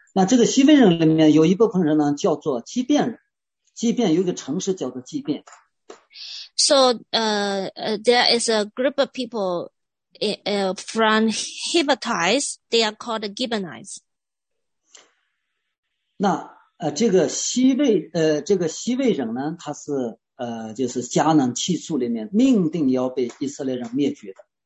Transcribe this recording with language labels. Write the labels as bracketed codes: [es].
[zh] 那这个西魏人里面有一部分人呢，叫做基遍人。基遍有一个城市叫做基遍。 [en] So, there is a group of people, from Hivites. They are called the Gibeonites. [zh] 那这个西魏这个西魏人呢，他是。就是迦南七族里面命定要被以色列人灭绝的。